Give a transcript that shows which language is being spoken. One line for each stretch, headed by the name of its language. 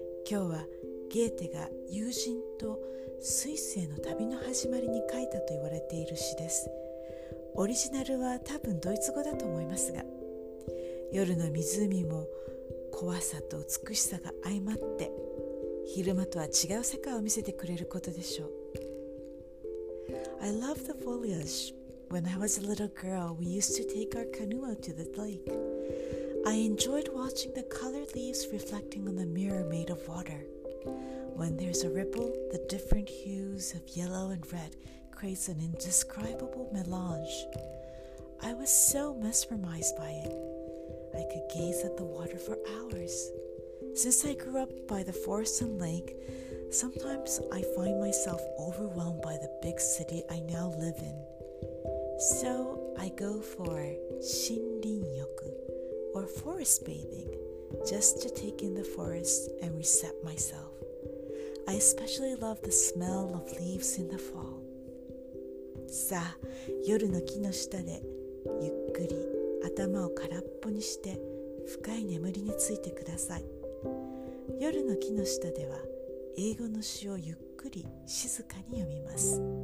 Japanese: 今日はゲーテが友人とスイスへの旅の始まりに書いたと言われている詩です。オリジナルは多分ドイツ語だと思いますが、夜の湖も怖さと美しさが相まって昼間とは違う世界を見せてくれることでしょう。
English: I love the foliage. When I was a little girl, we used to take our canoe out to the lake. I enjoyed watching the colored leaves reflecting on the mirror made of water. When there's a ripple, the different hues of yellow and red creates an indescribable melange. I was so mesmerized by it. I could gaze at the water for hours. Since I grew up by the forest and lake, sometimes I find myself overwhelmed by the big city I now live in. So I go for 森林浴 or forest bathing, just to take in the forest and reset myself. I especially love the smell of leaves in the fall.
Japanese: さあ、夜の木の下でゆっくり頭を空っぽにして深い眠りについてください。夜の木の下では英語の詩をゆっくり静かに読みます。